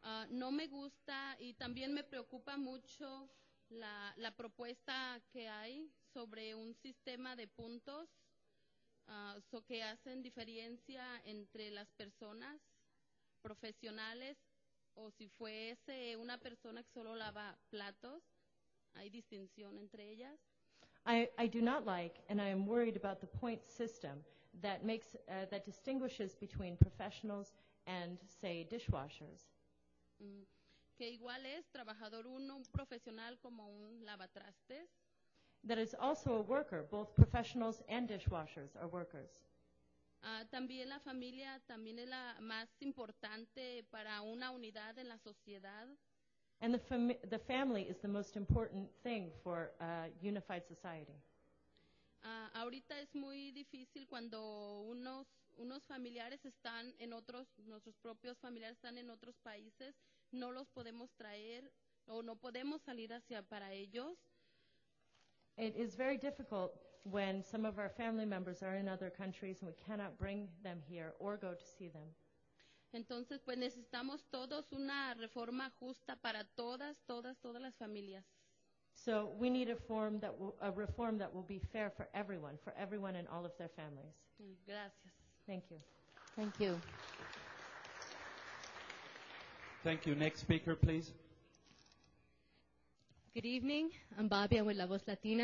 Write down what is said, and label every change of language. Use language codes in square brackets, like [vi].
[es] No me gusta y también me preocupa mucho la propuesta que hay sobre un sistema de puntos que hacen diferencia entre las personas profesionales. O si fuese una persona que solo lava platos, ¿hay distinción entre ellas? [en] I do not like, and I am worried about the point system that makes that distinguishes between professionals and, say, dishwashers. [es] Que igual es trabajador uno, un profesional como un lavatrastes. [en] That is also a worker. Both professionals and dishwashers are workers. [es] También la familia también es la más importante para una unidad en la sociedad. [en] And the family is the most important thing for a unified society. [es] Ahorita es muy difícil cuando unos familiares están en otros, nuestros propios familiares están en otros países, no los podemos traer o no podemos salir hacia para ellos. [en] It is very difficult when some of our family members are in other countries and we cannot bring them here or go to see them. [es] Entonces, pues necesitamos todos una reforma justa para todas las familias. [en] So we need a reform that will be fair for everyone and all of their families. [es] Gracias. [en] Thank you. Thank you. Thank you. Next speaker, please. Good evening. I'm Bobby. I'm with La Voz Latina.